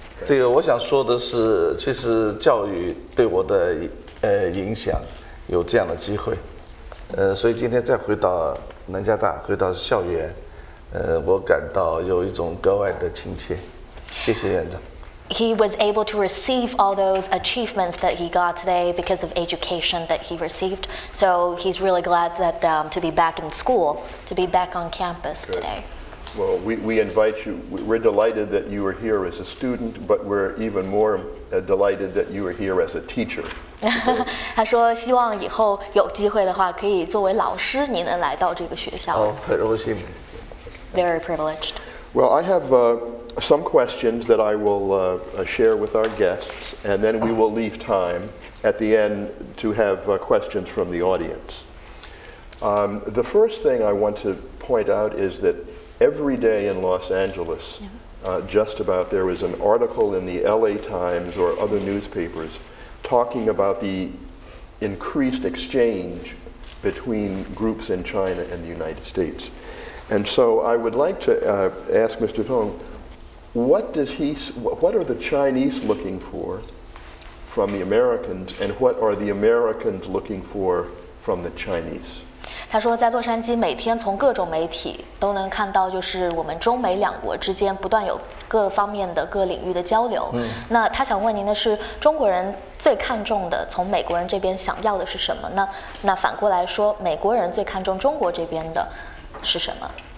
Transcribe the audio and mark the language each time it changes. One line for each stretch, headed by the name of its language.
Chinese: 这个我想说的是，其实教育对我的影响有这样的机会，所以今天再回到南加大，回到校园，我感到有一种格外的亲切。谢谢院长。
English: he was able to receive all those achievements that he got today because of education that he received. So he's really glad that to be back in school, to be back on campus Good. Today. Well, we invite you. We're delighted that you are here as a student, but we're even more delighted that you are here as a teacher.
Chinese: 他说希望以后有机会的话可以作为老师您能来到这个学校。 Oh, 很荣幸。
English: Very privileged. Well, I have some questions that I will share with our guests, and then we will leave time at the end to have questions from the audience. The first thing I want to point out is that every day in Los Angeles, just about, there is an article in the LA Times or other newspapers talking about the increased exchange between groups in China and the United States. And so I would like to ask Mr. Teng, what are the Chinese looking for from the Americans, and what are the Americans looking for from the Chinese?
Chinese: 他说在洛杉矶每天从各种媒体都能看到就是我们中美两国之间不断有各方面的各领域的交流。那他想问您的是中国人最看重的从美国人这边想要的是什么呢？那反过来说美国人最看重中国这边的是什么？